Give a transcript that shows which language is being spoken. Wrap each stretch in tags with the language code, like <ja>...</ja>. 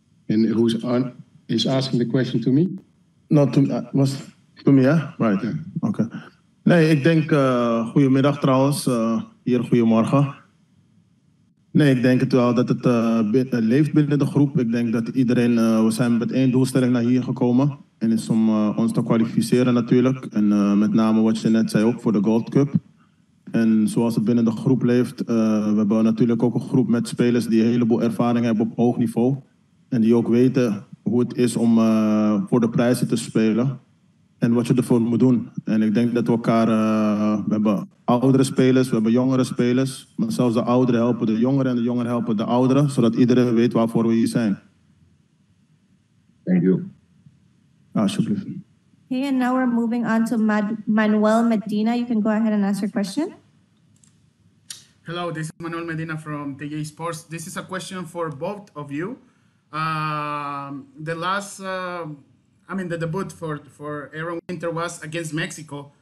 <en>En who's on is asking the question to me? Not to me, was to me, yeah? Right, yeah. Okay.</en> <nl>Nee, ik denk, goedemiddag trouwens, hier goedemorgen. Nee, ik denk het wel dat het leeft binnen de groep. Ik denk dat iedereen, we zijn met één doelstelling naar hier gekomen. En is om ons te kwalificeren natuurlijk. En met name wat je net zei ook voor de Gold Cup. En zoals het binnen de groep leeft, we hebben natuurlijk ook een groep met spelers die een heleboel ervaring hebben op hoog niveau. En die ook weten hoe het is om voor de prijzen te spelen. En wat je ervoor moet doen. En ik denk dat we elkaar, we hebben oudere spelers, we hebben jongere spelers. Maar zelfs de ouderen helpen de jongeren en de jongeren helpen de ouderen. Zodat iedereen weet waarvoor we hier zijn.</nl> <en>Thank you.</en> <nl>Alsjeblieft.</nl> <en>Okay, and now we're moving on to Manuel Medina. You can go ahead and ask your question. Hello, this is Manuel Medina from TJ Sports. This is a question for both of you. The debut for Aaron Winter was against Mexico.</en>